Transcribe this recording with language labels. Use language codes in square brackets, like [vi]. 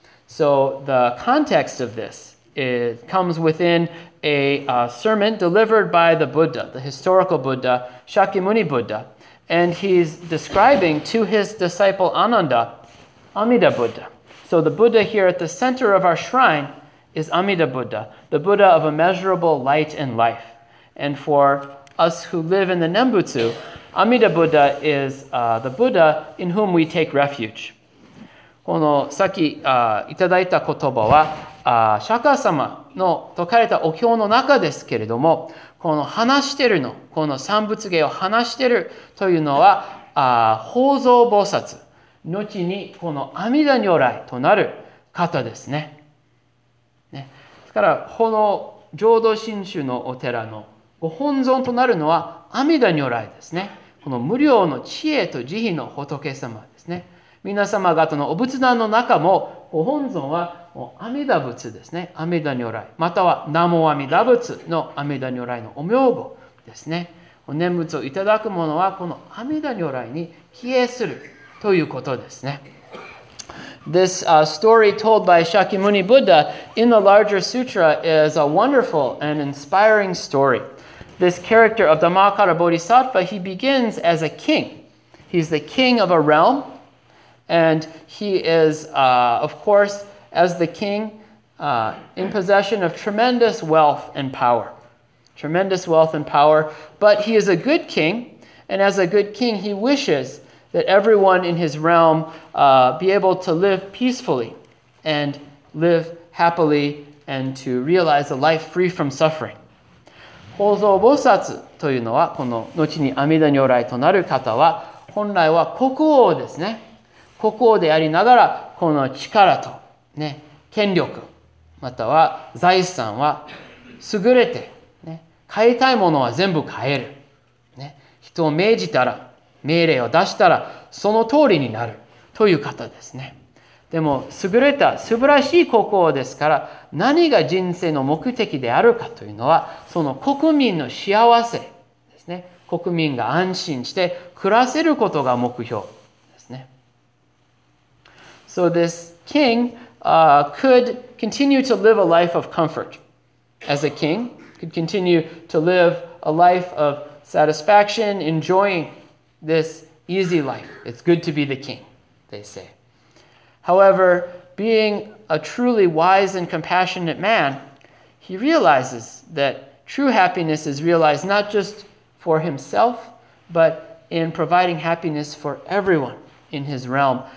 [en] So the context of this is, comes within a sermon delivered by the Buddha, the historical Buddha, Shakyamuni Buddha, and he's describing to his disciple Ananda, Amida Buddha. So the Buddha here at the center of our shrine is Amida Buddha, the Buddha of immeasurable light and life. And for us who live in the Nembutsu, Amida Buddha is the Buddha in whom we take refuge. [ja] このさっきいただいた言葉は、釈迦様の説かれたお経の中ですけれども、この話してるの、この三仏芸を話してるというのは、法蔵菩薩、後にこの阿弥陀如来となる方ですね。ね。ですから、この浄土真宗のお寺のご本尊となるのは阿弥陀如来ですね。この無量の智慧と慈悲の仏様ですね。皆様方のお仏壇の中も、ご本尊は阿弥陀仏ですね。阿弥陀如来。または、南無阿弥陀仏の阿弥陀如来のお名簿ですね。念仏をいただく者は、この阿弥陀如来に帰依するということですね。 [en] This story told by Shakyamuni Buddha in the larger sutra is a wonderful and inspiring story. This character of Dhammakara Bodhisattva, he begins as a king. He's the king of a realm. And he is, of course, as the king, in possession of tremendous wealth and power. Tremendous wealth and power. But he is a good king. And as a good king, he wishes that everyone in his realm be able to live peacefully and live happily and to realize a life free from suffering. [ja] 法蔵菩薩というのは、この後に阿弥陀如来となる方は、本来は国王ですね。国王でありながら、この力と、ね、権力、または財産は優れて、ね、買いたいものは全部買える、ね。人を命じたら、命令を出したら、その通りになるという方ですね。でも優れた素晴らしい国王ですから、何が人生の目的であるかというのは、その国民の幸せですね。国民が安心して暮らせることが目標ですね。 [en] So this king, could continue to live a life of comfort as a king, could continue to live a life of satisfaction, enjoying this easy life. It's good to be the king, they say. However, being a truly wise and compassionate man, he realizes that true happiness is realized not just for himself, but in providing happiness for everyone in his realm.